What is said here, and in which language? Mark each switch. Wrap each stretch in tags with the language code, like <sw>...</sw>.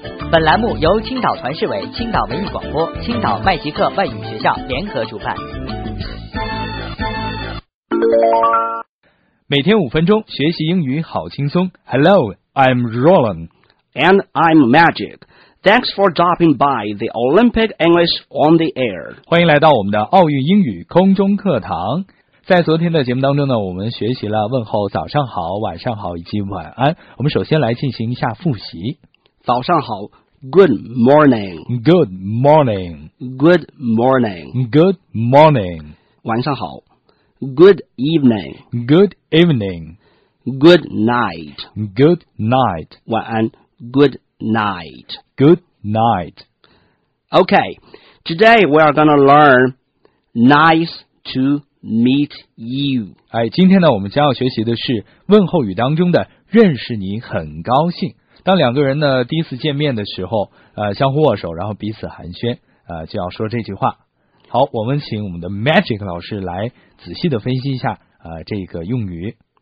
<zh>本栏目由青岛团市委、青岛文艺广播、青岛麦吉克外语学校联合主办。每天五分钟学习英语好轻松。</zh> <en>Hello, I'm Roland. And I'm Magic. Thanks for dropping by the Olympic English on the air.</en> <zh>欢迎来到我们的奥运英语空中课堂。在昨天的节目当中呢，我们学习了问候早上好、晚上好以及晚安。我们首先来进行一下复习。早上好，</zh> <en>Good morning. Good morning. Good morning. Good morning.</en> <zh>晚上好，</zh> <en>Good evening. Good evening. Good night. Good night.</en> <zh>晚安。</zh> <en>Good night. Good night. Okay, today we are going to learn nice to meet you.</en> <zh>哎，今天呢，我们将要学习的是问候语当中的认识你很高兴。当两个人呢第一次见面的时候，相互握手，然后彼此寒暄，就要说这句话。好，我们请我们的 Magic 老师来仔细的分析一下这个用语。</zh>